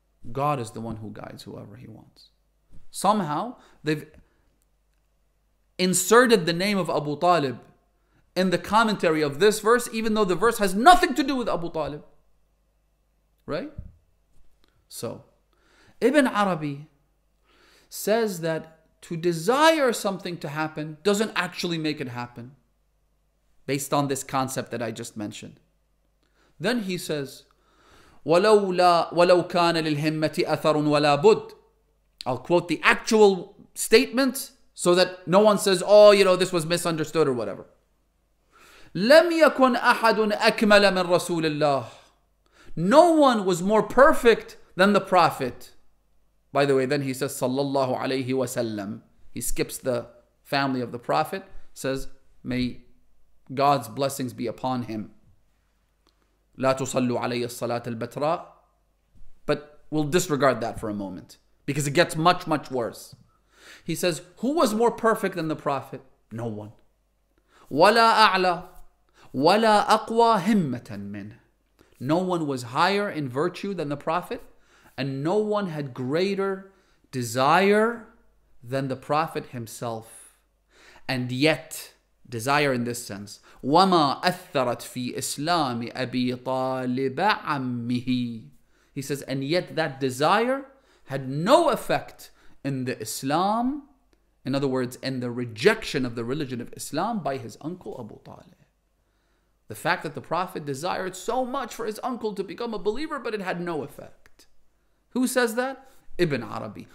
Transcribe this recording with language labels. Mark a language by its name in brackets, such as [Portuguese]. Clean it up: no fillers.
[English] God is the one who guides whoever he wants. Somehow, they've inserted the name of Abu Talib in the commentary of this verse, even though the verse has nothing to do with Abu Talib. Right? So, Ibn Arabi says that to desire something to happen doesn't actually make it happen, based on this concept that I just mentioned. Then he says, [Arabic] وَلَوْ كَانَ لِلْهِمَّةِ أَثَرٌ وَلَا بُدٌ. [English] I'll quote the actual statement so that no one says, oh, you know, this was misunderstood or whatever. [Arabic] لَمْ يَكُنْ أَحَدٌ أَكْمَلَ مِنْ رَسُولِ اللَّهِ. [English] No one was more perfect than the Prophet. By the way, then he says, [Arabic] sallallahu alayhi wa sallam. [English] He skips the family of the Prophet, says, may God's blessings be upon him. [Arabic] لا تصلوا علي الصلاة البتراء. [English] But we'll disregard that for a moment, because it gets much, much worse. He says, who was more perfect than the Prophet? No one. [Arabic] ولا أعلى ولا أقوى همة منه. [English] No one was higher in virtue than the Prophet, and no one had greater desire than the Prophet himself. And yet, desire in this sense, [Arabic] وَمَا أَثَّرَتْ فِي إِسْلَامِ أَبِي طَالِبَ عَمِّهِ. [English] He says, and yet that desire had no effect in the Islam, in other words, in the rejection of the religion of Islam by his uncle Abu Talib. The fact that the Prophet desired so much for his uncle to become a believer, but it had no effect. Who says that? Ibn Arabi.